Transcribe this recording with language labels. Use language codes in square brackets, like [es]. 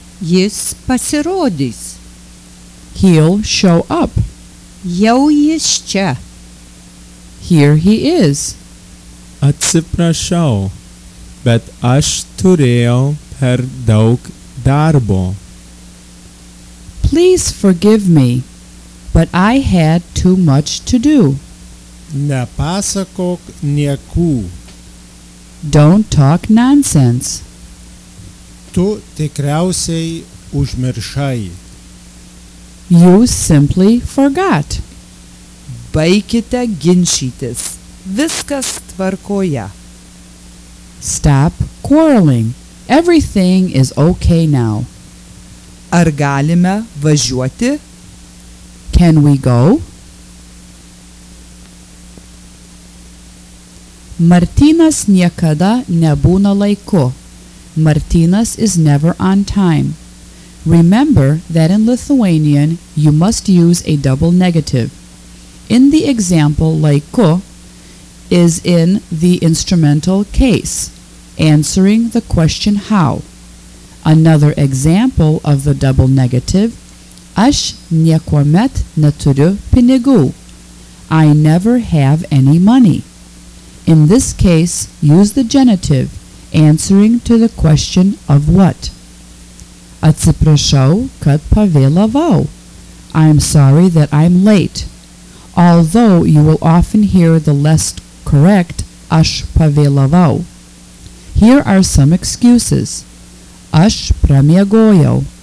[lt] Jis pasirodys. [en] He'll show up. [lt] Jau jis čia. [en] Here he is. [lt] Atsiprašau, bet aš turėjau per daug darbo. [en] Please forgive me, but I had too much to do. [lt] Nepasakok niekų. [en] Don't talk nonsense. [lt] Tu tikriausiai užmiršai. [en] You simply forgot. [lt] Baikite ginčytis. Viskas tvarkoje. [en] Stop quarreling. Everything is okay now. [lt] Ar galime važiuoti? [en] Can we go? [lt] Martynas niekada nebūna laiku. [en] Martynas is never on time. Remember that in Lithuanian you must use a double negative. In the example, laiku is in the instrumental case, answering the question how. Another example of the double negative, [lt] aš niekuomet neturiu pinigų. [en] I never have any money. In this case, use the genitive, answering to the question of what. [lt] Atsiprašau, kad pavėlavau. [en] I'm sorry that I'm late. Although you will often hear the less correct, [lt] aš pavėlavau. [en] Here are some excuses. [lt] Aš pramiegojau.